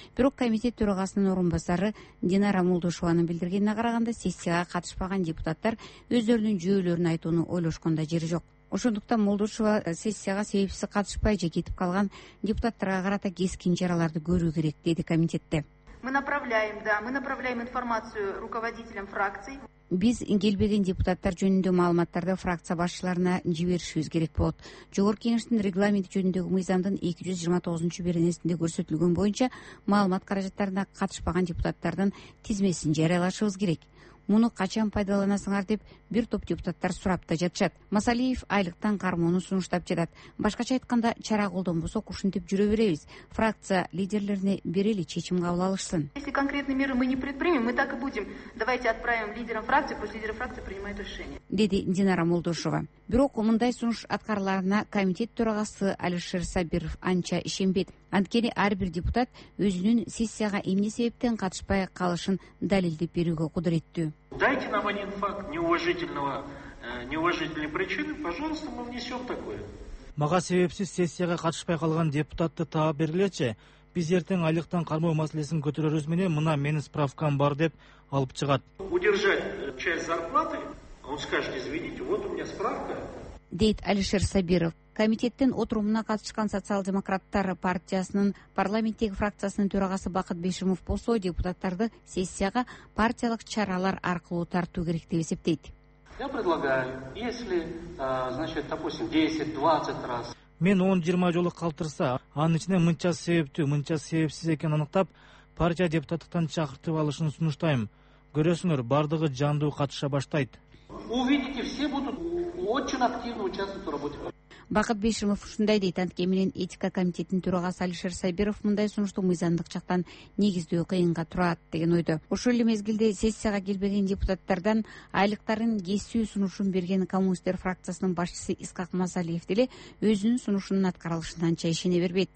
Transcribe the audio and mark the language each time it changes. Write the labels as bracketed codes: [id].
[ky] Бирок комитет төрагасынын орун басары Динара Молдошованын билдиргенине караганда, сессияга катышпаган депутаттар өздөрүнүн жүйөлөрүн айтууну ойлошкон да жери жок. Ошондуктан Молдошова сессияга себепсиз катышпай же кетип калган депутаттарга карата кескин чараларды көрүү керек, деди комитетте. [ru] Мы направляем информацию руководителям фракций. [ky] Биз келбеген депутаттар жөнүндө маалыматтарды фракция башчыларына жиберишибиз керек болот. Жогорку Кеңештин регламенти жөнүндөгү мыйзамдын 229-беренесинде көрсөтүлгөн боюнча маалымат каражаттарына катышпаган депутаттардын тизмесин жарыялашыбыз керек. Муну качан пайдаланасыңар деп бир топ депутаттар сурап да жатышат. Масалиев айлыктан кармоону сунуштап жатат. Башкача айтканда, чара колдонбосок ушинтип жүрө беребиз. Фракция лидерлерине берели чечим кабыл алышсын. [ru] Если конкретные меры мы не предпримем, мы так и будем. Давайте отправим лидерам фракции, пусть лидеры фракции принимают решение. [ky] Деди Динара Молдошова. Бирок мындай сунуш аткарларына комитет төрагасы Алишер Сабиров анча ишенбейт. Анткени ар бир депутат өзүнүн сессияга эмне себептен катышпай калышын далилдеп берүүгө кудуреттүү. [ru] Дайте нам один факт неуважительной причины, пожалуйста, мы внесем такое. [ky] Мага себепсиз сессияга катышпай калган депутатты таап берилечи, биз эртең айлыктан кармоо маселесин көтөрөрүбүз менен мына менин справкам бар деп алып чыгат. [ru] Удержать часть зарплаты, он скажет, извините, вот у меня справка. [ky] Дейт Алишер Сабиров. Комитеттен отурумуна катышкан социал-демократтар партиясынын парламенттеги фракциясынын төрагасы Бакыт Бешимов болсо, депутаттарды сессияга партиялык чаралар аркылуу тартуу керек деп эсептейт. [ru] Я предлагаю, если, значит, допустим, 10-20 раз. [ky] Мен 10-20 жолу калтырса, анын ичинен мынча себептүү, мынча себепсиз экенин аныктап, партия депутаттыктан чакыртып алышын сунуштайм. Көрөсүңөр, бардыгы жандуу катыша баштайт. [ru] Увидите, все будут очень активно участвовать в работе. [ky] Бакыт Бешимов ушундай дейт, анткени менен этика комитетинин төрагасы Алишер Сабиров мындай сунушту мыйзамдык жактан негиздөө кыйынга турат деген ойдо. Ошол эле мезгилде сессияга келбеген депутаттардан айлыктарын кесүү сунушун берген коммунисттер фракциясынын башчысы Искак Масалиев деле өзүнүн сунушунун аткарылышынанча ишене бербейт.